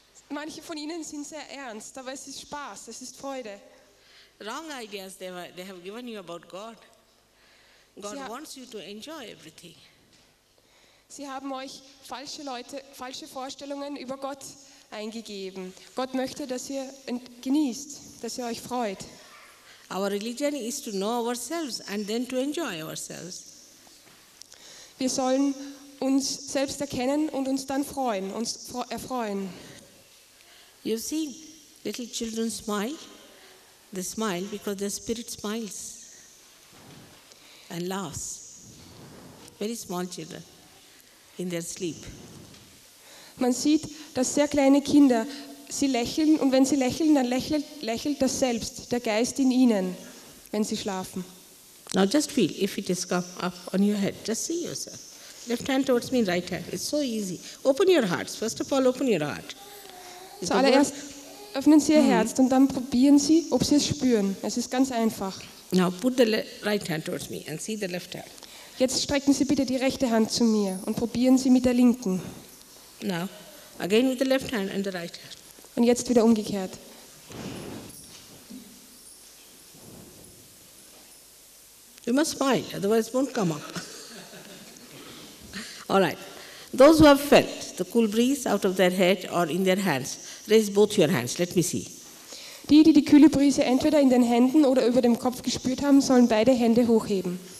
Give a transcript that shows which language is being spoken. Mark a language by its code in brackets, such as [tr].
[de] Manche von Ihnen sind sehr ernst, aber es ist Spaß, es ist Freude. [en] Wrong ideas they have given you about God. God wants you to enjoy everything. [de] Sie haben euch falsche Vorstellungen über Gott eingegeben. Gott möchte, dass ihr genießt, dass ihr euch freut. [en] Our religion is to know ourselves and then to enjoy ourselves. [de] Wir sollen uns selbst erkennen und uns dann freuen, uns erfreuen. [en] You see, little children smile. They smile because their spirit smiles and laughs. Very small children in their sleep. [de] Man sieht, dass sehr kleine Kinder, sie lächeln und wenn sie lächeln, dann lächelt das selbst, der Geist in ihnen, wenn sie schlafen. [en] Now just feel if it has come up on your head. Just see yourself. Left hand towards me, right hand. It's so easy. Open your hearts. First of all, open your heart. [de] Zuallererst öffnen Sie Ihr Herz und dann probieren Sie, ob Sie es spüren. Es ist ganz einfach. [en] Now put the right hand towards me and see the left hand. [de] Jetzt strecken Sie bitte die rechte Hand zu mir und probieren Sie mit der linken. [en] Now, again with the left hand and the right hand. [de] Und jetzt wieder umgekehrt. [en] You must smile, otherwise it won't come up. All right. Those who have felt the cool breeze out of their head or in their hands, raise both your hands. Let me see. [de] Die, die die kühle Brise entweder in den Händen oder über dem Kopf gespürt haben, sollen beide Hände hochheben.